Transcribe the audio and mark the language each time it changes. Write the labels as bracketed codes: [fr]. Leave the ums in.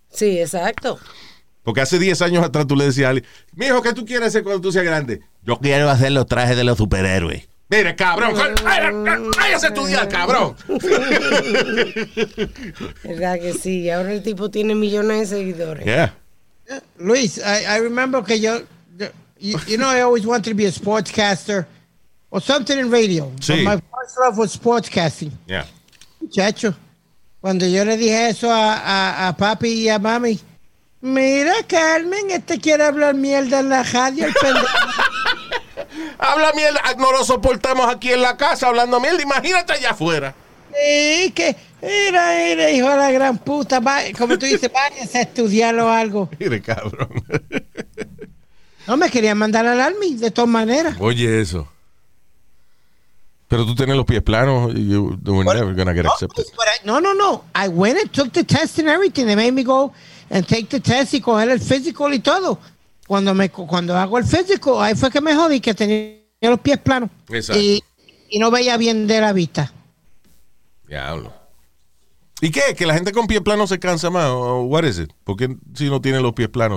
[es] Sí, exacto. Porque hace 10 años atrás tú le decías a alguien, mijo, ¿qué tú quieres hacer cuando tú seas grande? Yo quiero hacer los trajes de los superhéroes. Mira, cabrón, váyase a estudiar, cabrón. ¿Verdad que sí? Y ahora el tipo tiene millones de seguidores. [en] Yeah. Luis, I, I remember [es] que yo, yo- [en] you, you know, I always wanted to be a sportscaster or something in radio. Sí. But my first love was sportscasting. Yeah. [es] Muchacho, cuando yo le dije eso a, a- a papi y a mami, mira, Carmen, este quiere hablar mierda en la radio, el pendejo. Habla mierda, no lo soportamos aquí en la casa hablando mierda, imagínate allá afuera. Sí, que, mira, mira, hijo de la gran puta, va- como tú dices, váyase a estudiar o algo. Mire, cabrón. No me querían mandar al army, de todas maneras. Oye, eso. Pero tú tienes los pies planos, [en] you you were never gonna get [es] No, [en] accepted. Luis, but I- no, no, no. I went and took the test and everything. They made me go and take the test [es] y coger el físico y todo. Cuando me cuando hago el físico, ahí fue que me jodí que tenía los pies planos. Exacto. Y, y no veía bien de la vista. Diablo. ¿Y qué? ¿Que la gente con pies planos se cansa más? ¿O [en] what is it? [es] ¿Por qué si no tiene los pies planos?